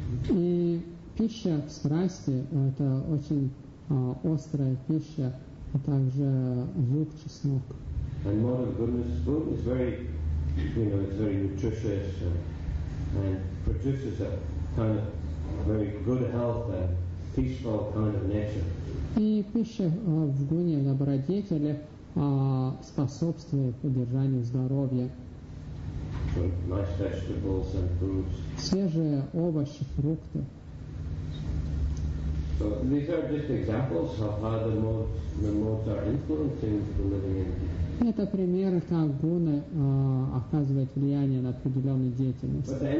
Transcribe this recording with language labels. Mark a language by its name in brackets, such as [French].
[Russian] И пища в страсти — это очень острая пища, а также лук, чеснок. [English] And mode of goodness food is very, you know, it's very nutritious and produces a kind of very good health and peaceful kind of nature. [Russian] И пища в гуне добродетели способствует поддержанию здоровья. [English] So nice vegetables and fruits. [Russian] Свежие овощи, фрукты. [English] So these are just examples of how the modes are influencing the living entity. [Russian] Это примеры, как гуны оказывают влияние на определенную деятельность.